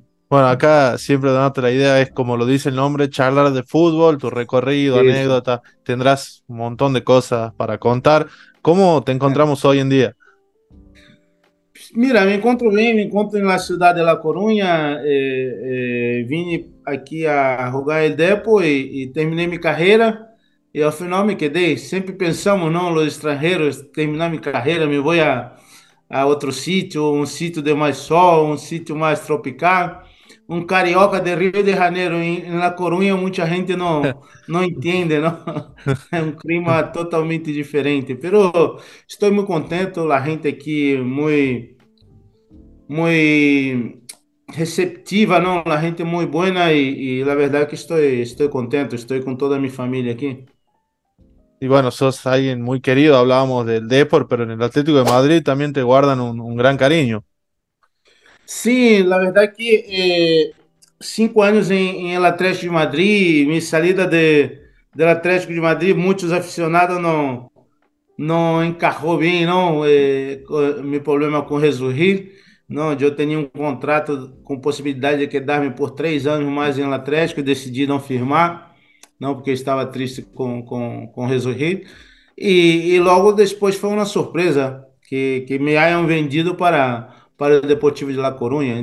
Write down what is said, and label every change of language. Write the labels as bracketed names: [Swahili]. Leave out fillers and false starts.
[Spanish] Bueno, acá siempre dándote la idea es, como lo dice el nombre, charlar de fútbol, tu recorrido, eso, anécdota, tendrás un montón de cosas para contar. ¿Cómo te encontramos hoy en día? Mira, me encuentro bien, me encuentro en la ciudad de La Coruña, vine aquí a jugar el Depor y terminé mi carrera. [Portuguese] E ao final me quedei, sempre pensamos, não, os estrangeiros, terminar minha carreira, me vou a outro sítio, um sítio de mais sol, um sítio mais tropical. Um carioca de Rio de Janeiro, em La Coruña, muita gente não entende, não? É um clima totalmente diferente, mas estou muito contento, a gente aqui muito, muito receptiva, não? A gente é muito boa e na verdade que estou contento, estou com toda a minha família aqui. [Spanish] Y bueno, sos alguien muy querido, hablábamos del Depor, pero en el Atlético de Madrid también te guardan un gran cariño. Sí, la verdad que 5 años en el Atlético de Madrid, mi salida del Atlético de Madrid, muchos aficionados no encajó bien, ¿no? Mi problema con resurgir, ¿no? Yo tenía un contrato con posibilidad de quedarme por 3 años más en el Atlético y decidí no firmar. [Portuguese] Não, porque estava triste com o resurgir. E logo depois foi uma surpresa que [Spanish] me hayan vendido [Portuguese] para o Deportivo de La Coruña.